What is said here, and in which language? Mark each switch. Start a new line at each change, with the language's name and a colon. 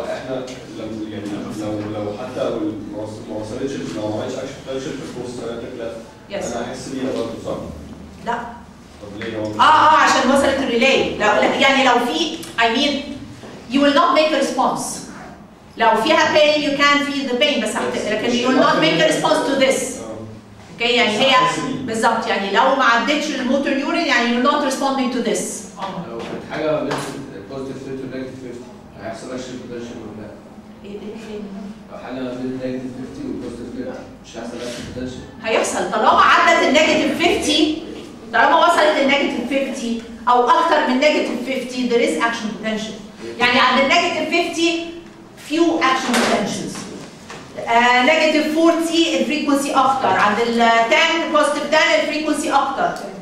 Arabic: ممكن نزرع تحليل هو احنا لما يعني لو حتى ما وصلتش ما عملتش اكشن بوتنشال في البوست سينابتك لا انا احس ان هي برضه صح لا طب ليه عشان وصلت الريلي لا يعني لو في
English: I mean you will not make a response.
Arabic: لو فيها
English: pain you can feel the pain
Arabic: بس لكن
English: you will not make a response to this.
Arabic: Okay, يعني هي بالظبط يعني لو ما عدتش الموتور نيورون يعني
English: you're not responding to this.
Arabic: لو كانت حاجة بس positive 30 negative 50 هيحصل action potential ولا لا؟ لو حاجة بين negative 50 و positive 50 مش هيحصل action potential؟ هيحصل طالما عدت ال negative 50 طالما وصلت ال negative 50 أو أكثر من negative 50
English: there is action potential.
Arabic: يعني عند النيجاتيف 50
English: few action potentials.
Arabic: نيجاتيف 40 الفريكونسي اكتر، عند ال 10 بوزيتيف 10 الفريكونسي اكتر.